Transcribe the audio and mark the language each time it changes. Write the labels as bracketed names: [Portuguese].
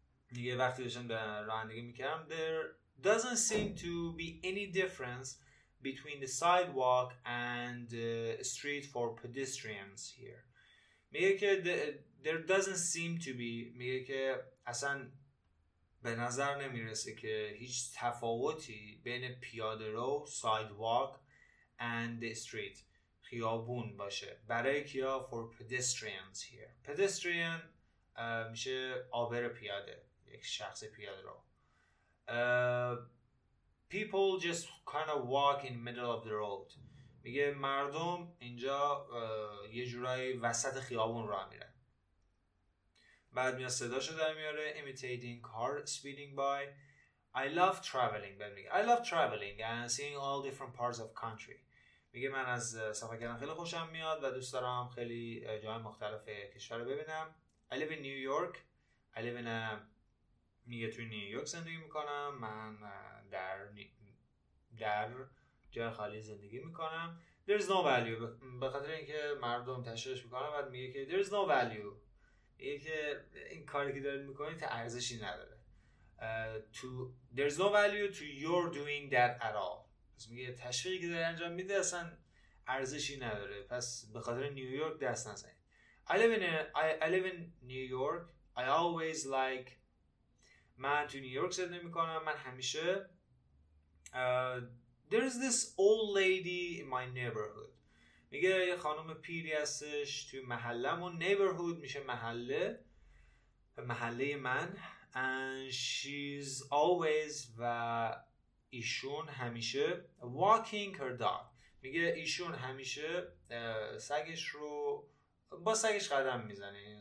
[Persian] میگه وقتی داشتم رانندگی میکردم. [English] There doesn't seem to be any difference between the sidewalk and the street for pedestrians here. [Persian] میگه که [English] there doesn't seem to be. [Persian] میگه که اصلا به نظر نمیرسه که هیچ تفاوتی بین پیاده رو، [English] sidewalk and the street، [Persian] خیابون باشه. برای کیا؟ [English] For pedestrians here. [Persian] Pedestrian میشه عابر پیاده، یک شخص پیاده رو. [English] People just kind of walk in middle of the road. [Persian] میگه مردم اینجا یه جورایی وسط خیابون راه میرن. بعد میاد صداشو در میاره. [English] Imitating car speeding by. I love traveling. [Persian] بعد میگه [English] I love traveling and seeing all different parts of country. [Persian] میگه من از سفر کردن خیلی خوشم میاد و دوست دارم خیلی جای مختلف کشور رو ببینم. [English] I live in New York. I live in [Persian] میگه توی نیویورک زندگی میکنم. من در جای خالی زندگی میکنم. [English] There is no value. [Persian] به خاطر اینکه مردم تشویقش میکنن، بعد میگه که There is no value. این که این کاری که دارید میکنید ارزشی نداره. [English] To there's no value to your doing that at all. [Persian] پس میگه تشویقی که داری انجام میده اصلا ارزشی نداره. پس به خاطر نیویورک دست نزنید. [English] I live in New York. I always like [Persian] من تو نیویورک زندگی میکنم. من همیشه [English] there's this old lady in my neighborhood. [Persian] میگه یه خانم پیری هستش تو محلمون. neighborhood میشه محله. محله من. [English] And she's always [Persian] و ایشون همیشه [English] walking her dog. [Persian] میگه ایشون همیشه سگش رو با سگش قدم میزنه.